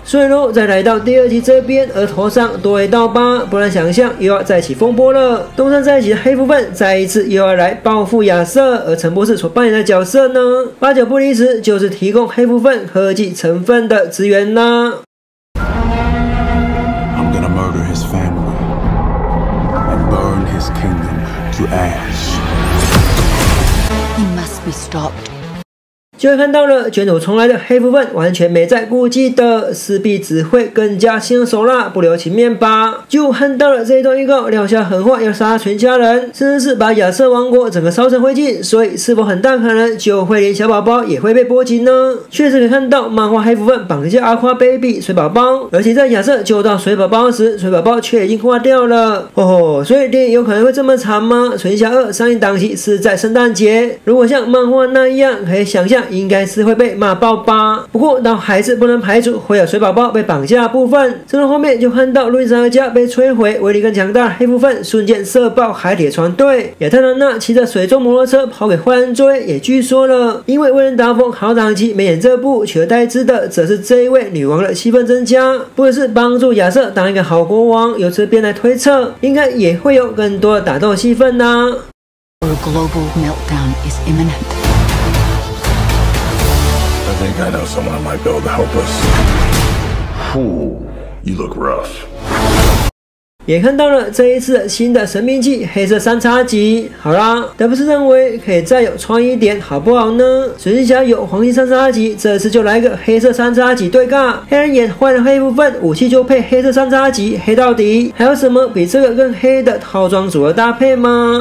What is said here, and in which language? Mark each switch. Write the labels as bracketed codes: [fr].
[zh] 顺路再来到第二集这边，额头上多一道疤，不难想象又要再起风波了。东山再起的黑夫分再一次又要来报复亚瑟，而陈博士所扮演的角色呢，八九不离十就是提供黑夫分科技成分的资源啦。 [en] I'm gonna murder his family and burn his kingdom to ash. He must be stopped. [zh] 就会看到了卷土重来的黑夫分完全没在顾忌的，势必只会更加心手辣不留情面吧。就看到了这一段预告撂下狠话要杀全家人，甚至是把亚瑟王国整个烧成灰烬，所以是否很大可能就会连小宝宝也会被波及呢？确实可以看到漫画黑夫分绑架阿夸 baby 水宝宝，而且在亚瑟救到水宝宝时，水宝宝却已经挂掉了。所以电影有可能会这么长吗？全家二上映档期是在圣诞节，如果像漫画那样，可以想象应该是会被骂爆吧。不过倒还是不能排除会有水宝宝被绑架的部分。这段画面就看到路易斯的家被摧毁，威力更强大的黑夫分瞬间射爆海铁船队，亚特兰娜骑着水中摩托车跑给坏人追，也据说了因为威廉达佛好长期没演这部，取而代之的则是这一位女王的戏份增加，不只是帮助亚瑟当一个好国王，由这边来推测应该也会有更多的打斗戏份啊。 [en] Our global meltdown is imminentI think I know someone who might be able to help us. Ooh, you look rough. [zh] 也看到了这一次新的神兵器黑色三叉戟。好啦，德布斯认为可以再有创意一点好不好呢？水晶侠有黄金三叉戟，这次就来个黑色三叉戟对尬。黑人眼坏了黑部分武器就配黑色三叉戟黑到底，还有什么比这个更黑的套装组合搭配吗？